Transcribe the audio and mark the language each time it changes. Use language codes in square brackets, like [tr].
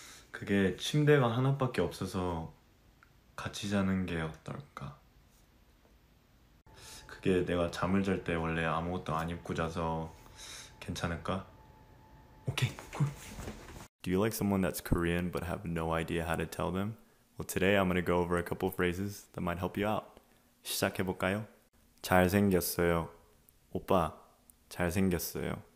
[ko] 그게 침대가 하나밖에 없어서 같이 자는 게 어떨까? 그게 내가 잠을 잘 때 원래 아무것도 안 입고 자서 괜찮을까? 오케이, cool. [en] Do you like someone that's Korean but have no idea how to tell them? Well, today I'm gonna go over a couple phrases that might help you out. [ko] 시작해볼까요? 잘생겼어요. 오빠, 잘생겼어요.